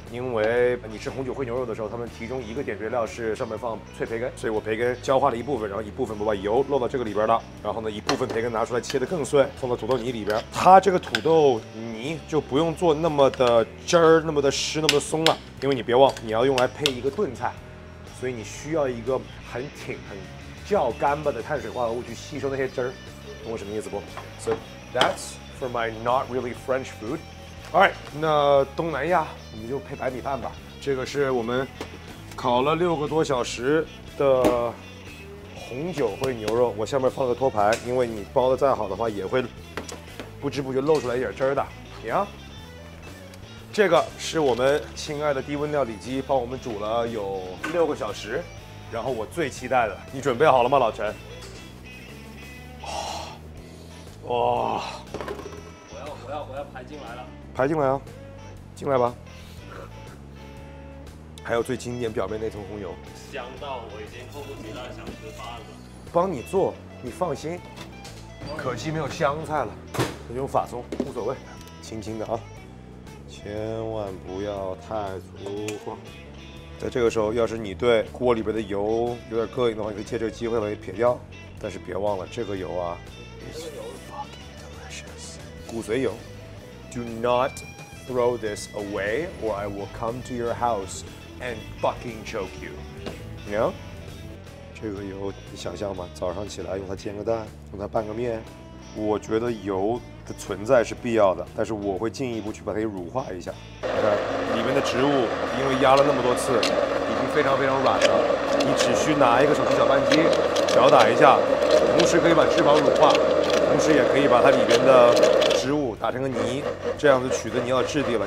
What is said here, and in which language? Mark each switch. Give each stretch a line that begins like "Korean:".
Chinese: 因为你吃红酒烩牛肉的时候，他们其中一个点缀料是上面放脆培根，所以我培根焦化了一部分，然后一部分我把油落到这个里边了，然后呢，一部分培根拿出来切得更碎，放到土豆泥里边。它这个土豆泥就不用做那么的汁儿，那么的湿，那么的松了。因为你别忘，你要用来配一个炖菜，所以你需要一个很挺、很较干巴的碳水化合物去吸收那些汁儿，懂我什么意思不
English: ？So that's for my not really French food. All right，
Chinese: 那东南亚我们就配白米饭吧。这个是我们烤了6个多小时的红酒烩牛肉，我下面放了个托盘，因为你包的再好的话，也会不知不觉露出来一点汁儿的。行。这个是我们亲爱的低温料理机帮我们煮了有6个小时，然后我最期待的，你准备好了吗，老陈？哇！我要排进来了。排进来啊，进来吧。还有最经典表面那层红油。香到我已经迫不及待想吃饭了。帮你做，你放心。可惜没有香菜了，那就用法葱，无所谓，轻轻的啊。千万不要太粗放，在这个时候，要是你对锅里边的油有点膈应的话，你可以借这个机会把它撇掉。但是别忘了，这个油啊，这个油
English: fucking delicious，
Chinese: 骨髓油。
English: Do not throw this away, or I will come to your house and fucking choke you. You know?
Chinese: 这个油，你想象吗？早上起来用它煎个蛋，用它拌个面。我觉得油的存在是必要的，但是我会进一步去把它给乳化一下。你看里面的植物，因为压了那么多次，已经非常非常软了。你只需拿一个手机搅拌机搅打一下，同时可以把脂肪乳化，同时也可以把它里边的植物打成个泥，这样子取得你要的质地了。